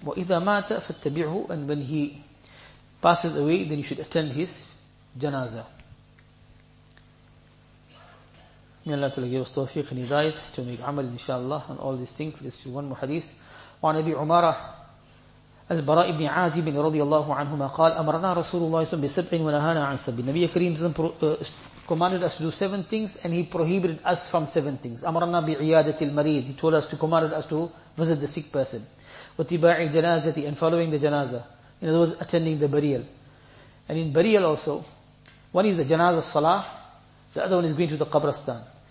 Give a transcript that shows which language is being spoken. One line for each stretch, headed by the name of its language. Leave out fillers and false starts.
Arabic: وَإِذَا مَاتَ فَاتَّبِعُهُ
English: and when he passes away, then you should attend his janazah. May Allah Ta'ala give us tawfiq and hidayat to make amal inshaAllah and all these things. Let's see one more hadith. Wa Nabi Umara
Arabic: البراء بن عازب رضي الله عنهما قال أمرنا رسول الله صلى الله عليه وسلم بسبع ونهانا عن سبع.
English: النبي الكريم commanded us to do seven things and he prohibited us from seven things.
Arabic: أمرنا بعيادة المريض.
English: He told us to commanded us to visit the sick person.
Arabic: واتباع الجنازة
English: and following the janaza. In other words, attending the burial. And in burial also, one is the janaza salah, the other one is going to the qabrastan.